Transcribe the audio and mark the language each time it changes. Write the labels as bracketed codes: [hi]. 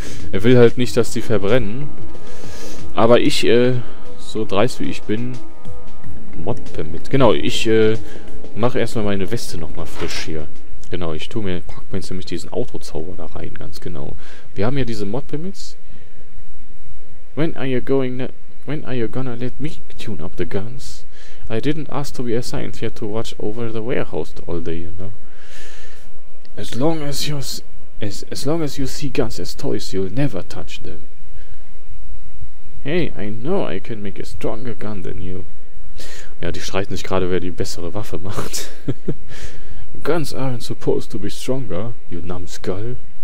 [de] Er will halt nicht, dass die verbrennen. Aber ich, so dreist wie ich bin, Mod-Pam mit. Genau, ich mache erstmal meine Weste nochmal frisch hier. Genau, ich tue mir, pack mir jetzt nämlich diesen Autozauber da rein, ganz genau. Wir haben ja diese Mod-Pamits. [en] When are you gonna let me tune up the guns? I didn't ask to be assigned here to watch over the warehouse all day, you know? As long as you see guns as toys, you'll never touch them. Hey, I know I can make a stronger gun than you. [de] Ja, die streiten sich gerade, wer die bessere Waffe macht. [en] Guns aren't supposed to be stronger, you numbskull.